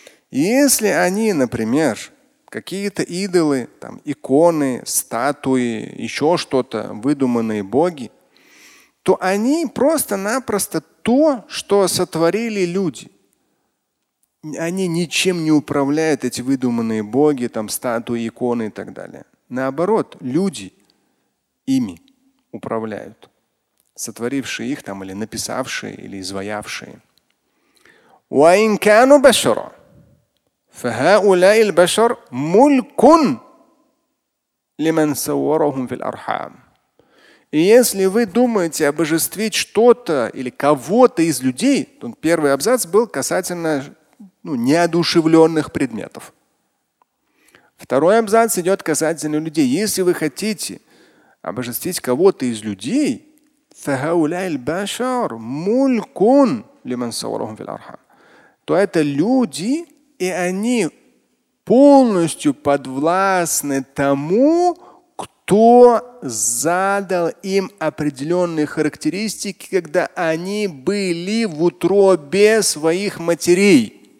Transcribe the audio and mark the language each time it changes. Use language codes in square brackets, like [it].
[ru] Если они, например, какие-то идолы, там, иконы, статуи, еще что-то, выдуманные боги, то они просто-напросто то, что сотворили люди. Они ничем не управляют, эти выдуманные боги, там, статуи, иконы и так далее. Наоборот, люди ими управляют, сотворившие их там, или написавшие, или изваявшие. [ar] وَإِنْ كَانُوا بَشَرًا فهؤلاء البشر ملك لمن صورهم في الأرحام. [ru] И если вы думаете обожествить что-то или кого-то из людей, то первый абзац был касательно, ну, неодушевленных предметов. Второй абзац идет касательно людей. Если вы хотите обожествить кого-то из людей, [ar] فهؤلاء البشر ملك لمن صورهم في الأرحام, [ru] то это люди, и они полностью подвластны тому, кто задал им определенные характеристики, когда они были в утробе своих матерей.